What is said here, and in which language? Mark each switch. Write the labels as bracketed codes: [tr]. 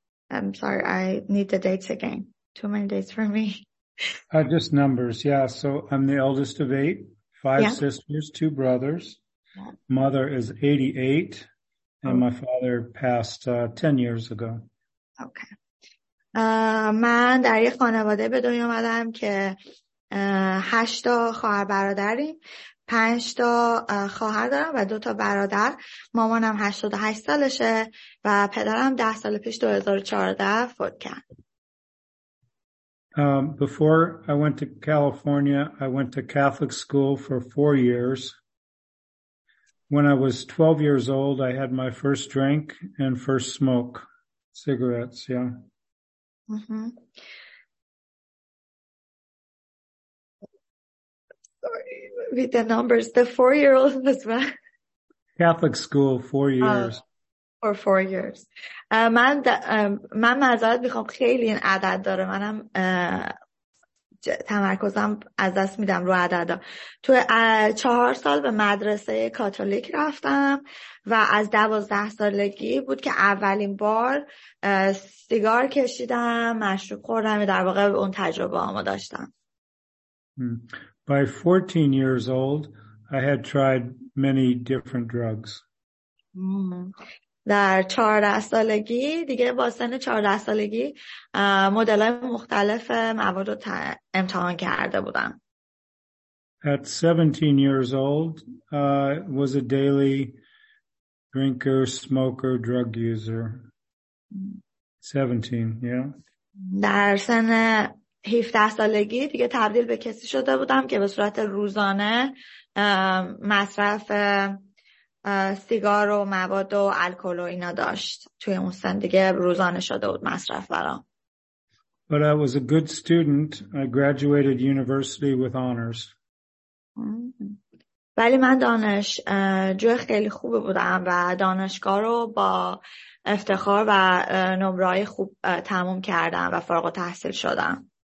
[en] I'm sorry, I need the dates again. Too many dates for me. Just numbers, yeah. So I'm the eldest of 8, 5 yeah. sisters, 2 brothers. Yeah. Mother is 88, and my father passed 10 years ago. Okay. [fa] من در یک خانواده به دنیا اومدم که 8 تا خواهر برادریم. 5 تا خواهر دارم و 2 تا برادر. مامانم 88 سالشه و پدرم 10 سال پیش 2014 فوت کرد. [en] Before I went to California, I went to Catholic school for 4 years. When I was 12 years old, I had my first drink and first smoke cigarettes, yeah. Sorry, with the numbers. The 4-year-old was when? Catholic school, 4 years. For 4 years. [fa] من معذرت میخوام, خیلی این عدد داره. منم تمرکزم از دست میدم رو عددا. تو 4 سال به مدرسه کاتولیک رفتم و از 12 سالگی بود که اولین بار سیگار کشیدم، مشروب خوردم، در واقع اون تجربه هامو داشتم. [en] By 14 years old, I had tried many different drugs. [fa] در 14 سالگی دیگه، با سن 14 سالگی مدل‌های مختلف مواد رو امتحان کرده بودم. [en] At 17 years old, was a daily drinker, smoker, drug user. 17, yeah. [fa] در سن 17 سالگی دیگه تبدیل به کسی شده بودم که به صورت روزانه مصرف سیگار و مواد و الکل و اینا داشت. توی اون سن دیگه روزانه شده بود مصرف برام. [en] But I was a good student. I graduated university with honors. [fa] ولی من دانشجو خیلی خوب بودم و دانشگاه رو با افتخار و نمره‌های خوب تموم کردم و فارغ التحصیل شدم.